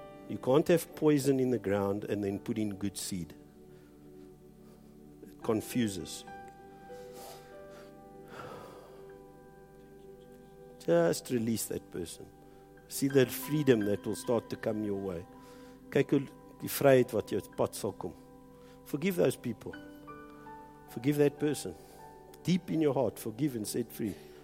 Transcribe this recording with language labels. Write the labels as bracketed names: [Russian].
[English] You can't have poison in the ground and then put in good seed. Confuses. Just release that person. See the freedom that will start to come your way. [Afrikaans] Kyk hoe die vryheid wat jou pad sal kom. [English] Forgive those people. Forgive that person. Deep in your heart, forgive and set free.